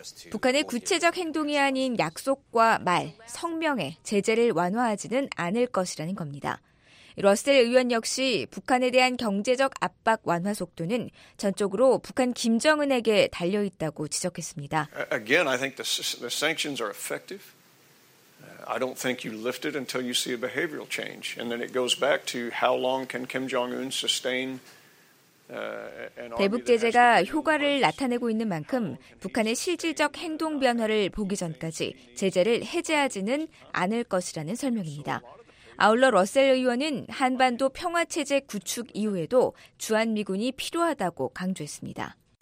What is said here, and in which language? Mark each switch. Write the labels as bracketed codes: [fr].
[ko] 북한의 구체적 행동이 아닌 약속과 말, 성명에 제재를 완화하지는 않을 것이라는 겁니다. 러셀 의원 역시 북한에 대한 경제적 압박 완화 속도는 전적으로 북한 김정은에게 달려 있다고 지적했습니다. [en] Again, I think the sanctions are effective. I don't think you lift it until you see a behavioral change, and then it goes back to how long can Kim Jong-un sustain. [ko] 대북 제재가 효과를 나타내고 있는 만큼 북한의 실질적 행동 변화를 보기 전까지 제재를 해제하지는 않을 것이라는 설명입니다. 아울러 러셀 의원은 한반도 평화체제 구축 이후에도 주한미군이 필요하다고 강조했습니다.